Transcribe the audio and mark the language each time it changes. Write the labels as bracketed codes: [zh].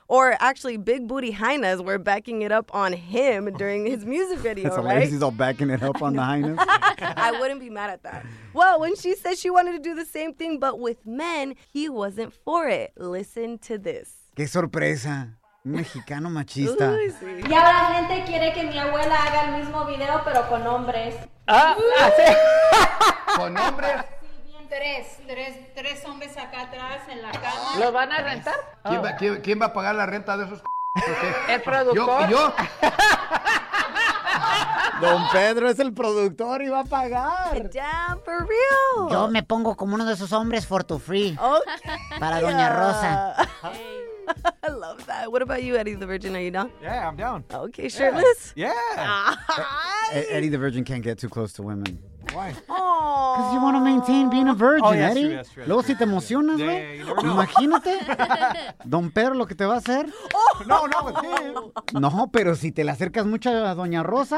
[en] Or actually, Big Booty Hyenas were backing it up on him during his music video, That's right? Hilarious. He's all backing it up on the hyenas. I wouldn't be mad at that. Well, when she said she wanted to do the same thing, but with men, he wasn't for it. Listen to this. [es] Qué sorpresa. Mexicano machista. Y ahora la gente quiere que mi abuela haga el mismo video, pero con hombres. Ah, ¿con hombres? Tres hombres acá atrás en la cama. ¿Lo van a rentar? ¿Quién va, quién va a pagar la renta de esos? ¿El productor? ¿Yo? Don Pedro es el productor y va a pagar. [en] Damn, for real. [es] Yo me pongo como uno de esos hombres [en] for to free. Okay. [es] Para Doña Rosa. [en] I love that. What about you, Eddie the Virgin? Are you down? Yeah, I'm down. Okay, shirtless? Yeah. Eddie the Virgin can't get too close to women. Why? Because you want to maintain being a virgin, oh, yes, Eddie. True. [es] Luego si te emocionas, güey. [en] Yeah, [es] imagínate. Don Pedro lo que te va a hacer. [en] Oh. No, with him. [es] No, pero si te le acercas mucho a Doña Rosa.